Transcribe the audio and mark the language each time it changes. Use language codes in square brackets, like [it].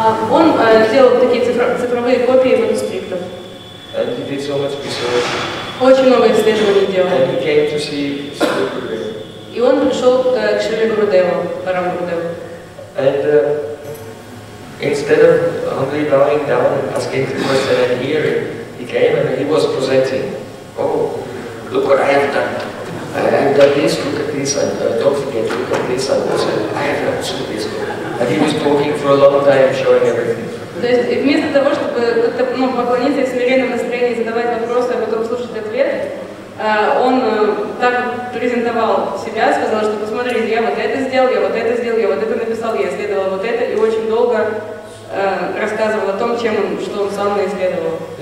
[ru] Он делал такие цифровые копии манускриптов. [en] And he did so much research. [ru] Очень много исследований делал. [en] And he came to see Shri Gurudeva. [ru] И он пришел к Шри Гурудеву, Парам Гурудеву. [en] And instead of humbly bowing down and asking the question and hearing, he came and he was presenting. Oh, look what I have done. I have done this, look at this, and don't forget, look at this, and also I have done so this. And he was talking for a long time, showing everything. [ru] То есть вместо того, чтобы как-то поклониться и в смиренном настроении задавать вопросы, а потом слушать ответ, он так презентовал себя, сказал, что посмотрите, я вот это сделал, я вот это сделал, я вот это написал, я исследовал вот это, и очень долго рассказывал о том, чем он, что он сам исследовал.